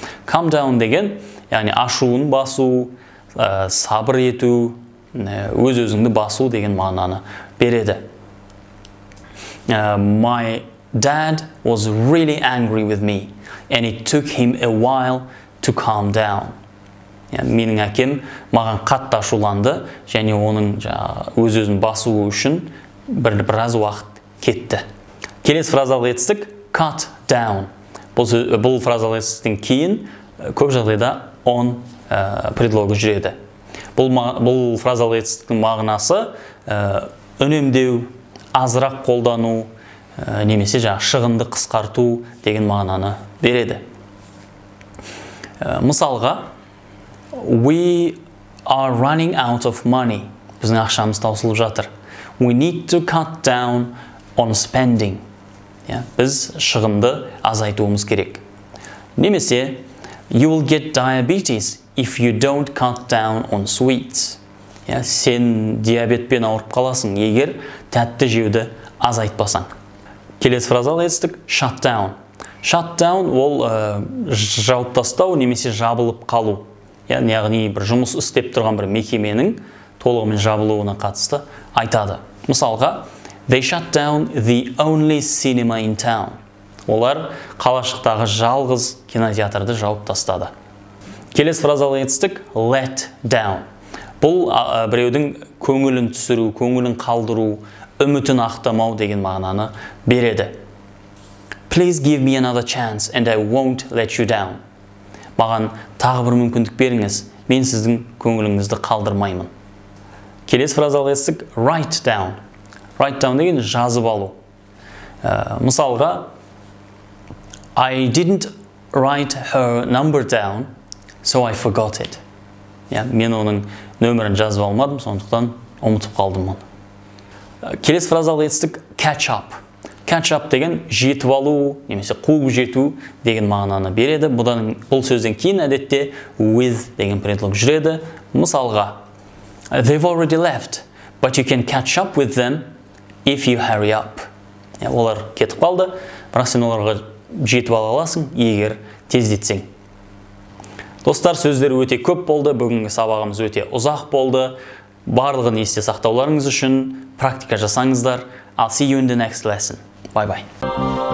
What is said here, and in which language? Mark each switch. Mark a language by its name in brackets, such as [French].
[Kazakh] Calm down деген, яғни ашуын басу, сабыр ету, өз-өзіңді басу деген мағынаны береді. [English] My dad was really angry with me, and it took him a while to calm down. [Kazakh] Менің әкем маған қатты ашуланды, және оның өз-өзін басуы үшін біраз уақыт кетті. Келесі фразалық етістік, cut down. Бұл фразалық етістіктің кейін көп жағдайда on предлогы жүреді. Бұл фразалық етістіктің мағынасы үнемдеу, азырақ қолдану, немесе шығынды қысқарту деген мағынаны береді. Мысалға, [English] we are running out of money. [Kazakh] Біздің ақшамыз таусылып жатыр. [English] We need to cut down on spending. [Kazakh] Біз шығынды азайтуымыз керек. Немесе, [English] you will get diabetes if you don't cut down on sweets. [Kazakh] Сен диабетпен ауырып қаласың, егер тәтті жеуді азайтпасаң. Келесі фразалық етістік, shut down. Shut down ол жауып тастау, немесе жабылып қалу. Яғни бір жұмыс істеп тұрған бір мекеменің толығымен жабылуына қатысты айтады. Мысалға, [English] they shut down the only cinema in town. [Kazakh] Олар қалашықтағы жалғыз кинотеатрды жауып тастады. Келесі фразалық етістік, let down. Бұл біреудің көңілін түсіру, көңілін қалдыру, үмітін ақтамау деген мағынаны береді. [English] Please give me another chance and I won't let you down. [Kazakh] Маған тағы бір мүмкіндік беріңіз, мен сіздің көңіліңізді қалдырмаймын. Келесі фразалық етістік, write down. Write down деген жазып алу. Мысалға, [English] I didn't write her number down, so I forgot it. [Kazakh] Мен оның нөмірін жазып алмадым, сондықтан ұмытып қалдым оны. Келесі фразалық етістік, catch up. Catch up деген жетіп алу, немесе қуып жету деген мағынаны береді. Бұл сөзден кейін әдетте with деген предлог жүреді. Мысалға, [English] they've already left, but you can catch up with them if you hurry up. [Kazakh] Олар кетіп қалды, бірақ сен оларға жетіп ала аласың, егер тездетсең. Достар, сөздер өте көп болды, бүгінгі сабағымыз өте ұзақ болды. Барлығын есте сақтауларыңыз үшін практика жасаңыздар. [English] I'll see you in the next lesson. Bye-bye.